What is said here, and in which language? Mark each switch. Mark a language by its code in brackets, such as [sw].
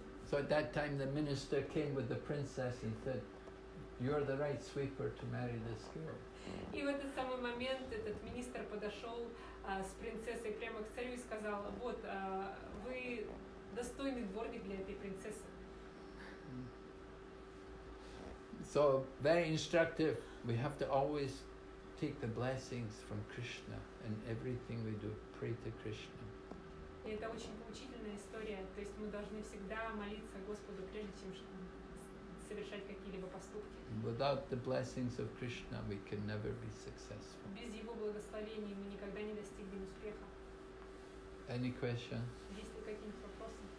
[en] So at that time the minister came with the princess and said, "You're the right sweeper to marry this girl." [ru] И в этот самый момент этот министр подошел с принцессой прямо к царю и сказал, "Вот вы достойный дворник для этой принцессы. [en] So very instructive. We have to always take the blessings from Krishna and everything we do, pray to Krishna. [ru] И это очень поучительная история. То есть мы должны всегда молиться Господу, прежде чем совершать какие-либо поступки. [en] Without the blessings of Krishna, we can never be successful. [ru] Без его благословений мы никогда не достигнем успеха. [en] Any question? [ru] Есть ли какие-нибудь вопросы?